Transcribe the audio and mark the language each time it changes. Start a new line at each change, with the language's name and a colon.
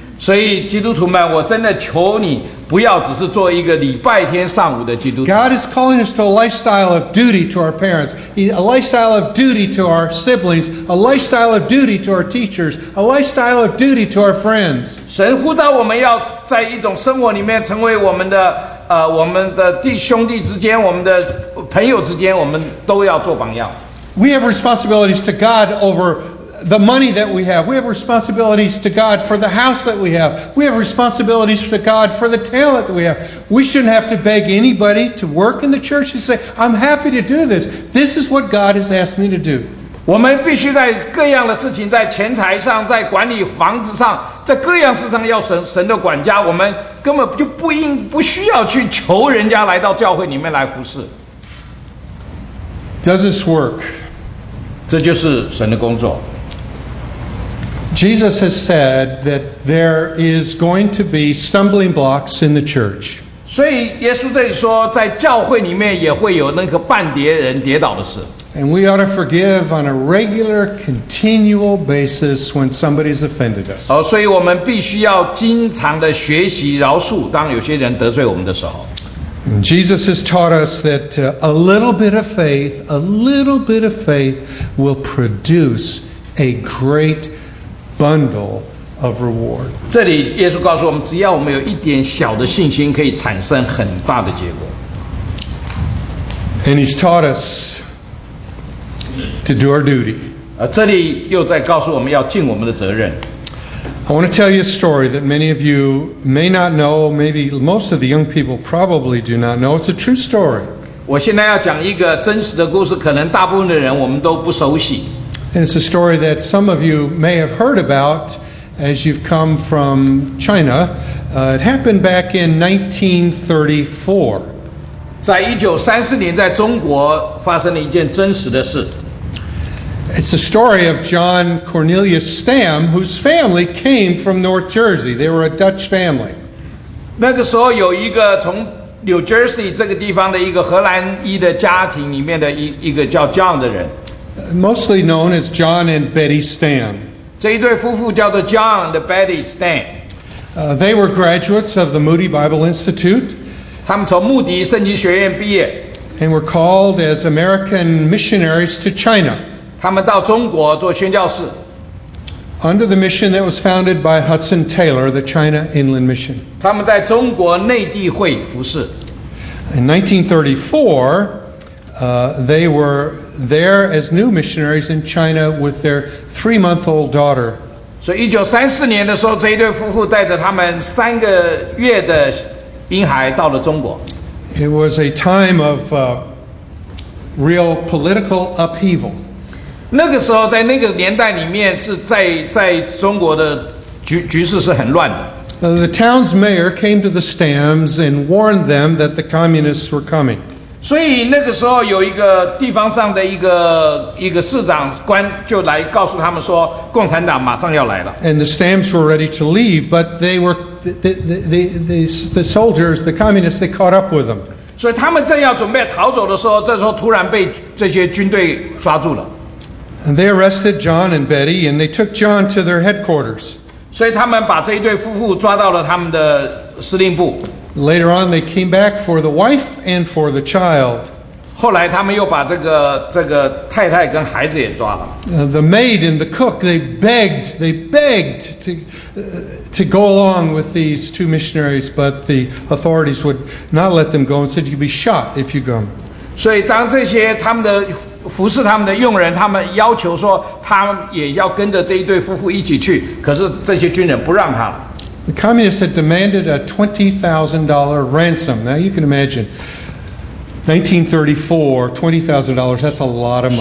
Chinese: 所以基督徒们，我真的求你不要只是做一个礼拜天上午的基督徒。
English: God is calling us to a lifestyle of duty to our parents, a lifestyle of duty to our siblings, a lifestyle of duty to our teachers, a lifestyle of duty to our friends.
Chinese: 神呼召我们要在一种生活里面成为我们的弟兄弟之间，我们的朋友之间，我们都要做榜样。
English: We have responsibilities to God over. The money that we have. We have responsibilities to God for the house that we have. We have responsibilities to God for the talent that we have. We shouldn't have to beg anybody to work in the church and say, I'm happy to do this. This is what God has asked me to do.
Chinese: 我们必须在各样的事情，在钱财上，在管理房子上，在各样事上要神的管家。我们根本就不需要去求人家来到教会里面来服事。
English: Does this work?
Chinese: 这就是神的工作。
English: Jesus has said that there is going to be stumbling blocks in the church.
Chinese: 所以耶稣这里说，在教会里面也会有那个绊跌人跌倒的事。
English: And we ought to forgive on a regular, continual basis when somebody's offended us.
Chinese: 所以我们必须要经常的学习饶恕，当有些人得罪我们的时候。
English: And Jesus has taught us that a little bit of faith, a little bit of faith will produce a great bundle of reward.
Chinese: 这里耶稣告诉我们，只要我们有一点小的信心，可以产生很大的结果。
English: And he's taught us to do our duty.
Chinese: 这里又在告诉我们要尽我们的责任。
English: I want to tell you a story that many of you may not know, maybe most of the young people probably do not know. It's a true story.
Chinese: 我现在要讲一个真实的故事，可能大部分的人我们都不熟悉。
English: And it's a story that some of you may have heard about as you've come from China. It happened back in 1934.
Chinese: 在1934年在中国发生了一件真实的事。
English: It's the story of John Cornelius Stam, whose family came from North Jersey. They were a Dutch family.
Chinese: 那个时候有一个从 New Jersey 这个地方的一个荷兰裔的家庭里面的一个叫 John 的人。
English: Mostly known as John and Betty Stam.
Chinese: 这一对夫妇叫做 John and Betty Stam.
English: They were graduates of the Moody Bible Institute.
Chinese: 他们从穆迪圣经学院毕业。
English: And were called as American missionaries to China.
Chinese: 他们到中国做宣教士。
English: Under the mission that was founded by Hudson Taylor, the China Inland Mission.
Chinese: 他们在中国内地会服事。
English: In 1934, they were there as new missionaries in China with their three-month-old daughter.
Chinese: 所以1934年的时候，这一对夫妇带着他们三个月的婴孩到了中国。
English: It was a time of real political upheaval.
Chinese: 那个时候在那个年代里面是 在中国的 局势是很乱的。
English: The town's mayor came to the Stams and warned them that the communists were coming.
Chinese: 所以那个时候有一个地方上的一个市长官就来告诉他们说共产党马上要来了。
English: And the Stams were ready to leave, but they were, the soldiers, the communists, they caught up with them.
Chinese: 所以他们正要准备逃走的时候，这时候突然被这些军队抓住了。
English: And they arrested John and Betty, and they took John to their headquarters.
Chinese: 所以他们把这一对夫妇抓到了他们的司令部。
English: Later on, they came back for the wife and for the child.
Chinese: 后来他们又把这个太太跟孩子也抓了。
English: The maid and the cook, they begged to go along with these two missionaries, but the authorities would not let them go and said, you'd be shot if you go.
Chinese: 所以当这些他们的服侍他们的佣人，他们要求说，他们也要跟着这一对夫妇一起去。可是这些军人不让他了。
English: The communists had demanded a $20,000 ransom. Now you can imagine, 1934, $20,000. That's a lot of money.